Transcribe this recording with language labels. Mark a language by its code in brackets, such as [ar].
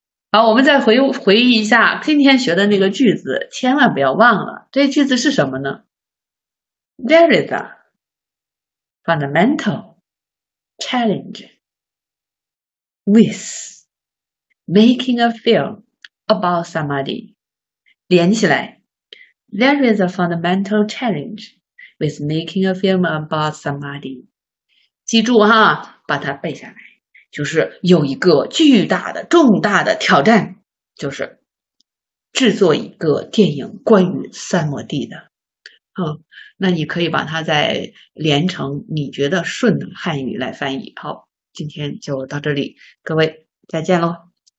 [zh] 好，我们再回忆一下今天学的那个句子，千万不要忘了，这句子是什么呢 ？ [en] There is a fundamental challenge with making a film about somebody. [zh] 连起来。 [en] There is a fundamental challenge with making a film about somebody. [zh] 记住哈，把它背下来，就是有一个巨大的、重大的挑战，就是制作一个电影关于三摩地的。那你可以把它再连成你觉得顺的汉语来翻译。好，今天就到这里，各位再见喽。